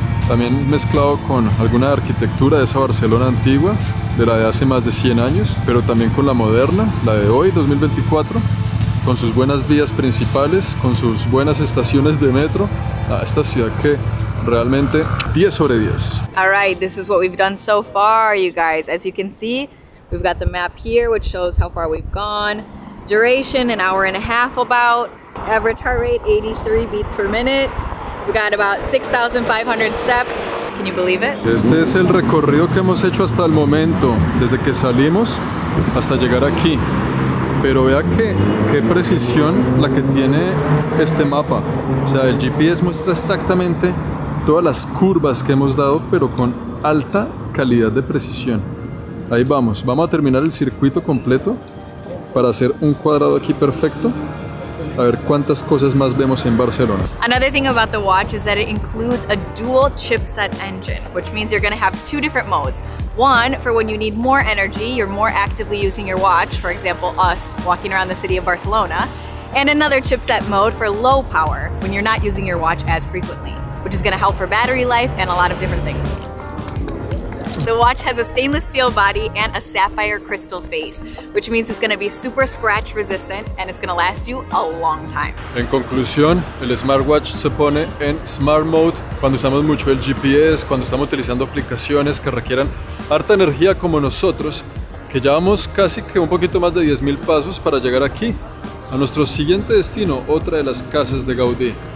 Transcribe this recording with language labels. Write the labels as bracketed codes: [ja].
[es] También mezclado con alguna arquitectura de esa Barcelona antigua, de la de hace más de 100 años, pero también con la moderna, la de hoy, 2024, con sus buenas vías principales, con sus buenas estaciones de metro, a esta ciudad que realmente 10 sobre 10. [en] All right, this is what we've done so far, you guys. As you can see, we've got the map here, which shows how far we've gone. Duration, an hour and a half about. Average heart rate, 83 beats per minute. We got about 6,500 steps. Can you believe it? [es] Este es el recorrido que hemos hecho hasta el momento, desde que salimos hasta llegar aquí. Pero vea qué precisión la que tiene este mapa. O sea, el GPS muestra exactamente todas las curvas que hemos dado, pero con alta calidad de precisión. Ahí vamos. Vamos a terminar el circuito completo para hacer un cuadrado aquí perfecto. A ver cuántas cosas más vemos en Barcelona. [en] Another thing about the watch is that it includes a dual chipset engine, which means you're going to have two different modes. One for when you need more energy, you're more actively using your watch, for example, us walking around the city of Barcelona, and another chipset mode for low power, when you're not using your watch as frequently, which is going to help for battery life and a lot of different things. The watch has a stainless steel body and a sapphire crystal face, which means it's going to be super scratch resistant and it's going to last you a long time. [es] En conclusión, el smartwatch se pone en smart mode cuando usamos mucho el GPS, cuando estamos utilizando aplicaciones que requieran harta energía como nosotros, que ya vamos casi que un poquito más de 10,000 pasos para llegar aquí, a nuestro siguiente destino, otra de las casas de Gaudí.